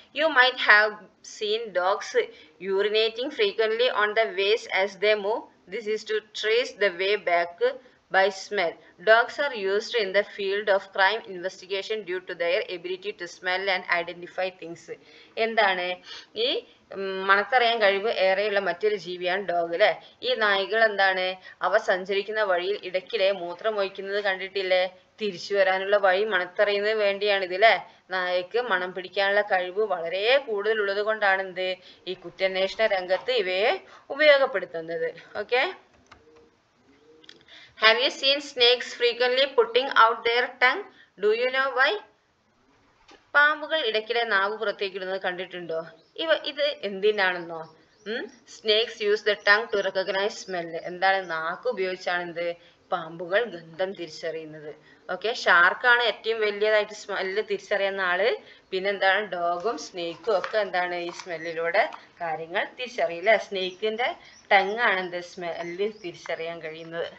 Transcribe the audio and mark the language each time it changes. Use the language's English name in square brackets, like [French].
[English] You might have seen dogs urinating frequently on the ways as the move. This is to trace the way back by smell. Dogs are used in the field of crime investigation due to their ability to smell and identify things. [Malayalam] എന്താണ് ഈ മണത്തറിയാൻ കഴിവ് ഏറെയുള്ള മറ്റൊരു ജീവിയാണ് dog അല്ലെ. ഈ നായ്ക്കൾ എന്താണ് അവ സഞ്ചരിക്കുന്ന വഴിയിൽ ഇടയ്ക്കിടെ മൂത്രം ഒഴിക്കുന്നത് കണ്ടിട്ടില്ലേ? തിരിച്ചു വരാനുള്ള വഴി മണത്തറിയുന്നതിന് വേണ്ടിയാണ് ഇത് അല്ലെ. നായ്ക്ക് മണം പിടിക്കാനുള്ള കഴിവ് വളരെ കൂടുതലുള്ളത് കൊണ്ടാണ് എന്ത് ഈ കുറ്റാന്വേഷണ രംഗത്ത് ഇവയെ ഉപയോഗപ്പെടുത്തുന്നത്. [English] Okay. Have you seen snakes frequently putting out their tongue? Do you know why? [Malayalam] പാമ്പുകൾ ഇടയ്ക്കിടെ നാവ് പുറത്തേക്ക് ഇടുന്നത് കണ്ടിട്ടുണ്ടോ? ഇവ ഇത് എന്തിനാണെന്നോ? [English] Snakes use the tongue to recognize smell. [Malayalam] എന്താണ് നാക്ക് ഉപയോഗിച്ചാണ് എന്ത് പാമ്പുകൾ ഗന്ധം തിരിച്ചറിയുന്നത്. ഓക്കെ. ഷാർക്കാണ് ഏറ്റവും വലിയതായിട്ട് സ്മെല്ല് തിരിച്ചറിയുന്ന ആള്. പിന്നെ എന്താണ് ഡോഗും സ്നേക്കും ഒക്കെ എന്താണ് ഈ സ്മെല്ലിലൂടെ കാര്യങ്ങൾ തിരിച്ചറിയില്ലേ. സ്നേക്കിന്റെ ടങ് ആണ് എന്ത് സ്മെല്ല് തിരിച്ചറിയാൻ കഴിയുന്നത്.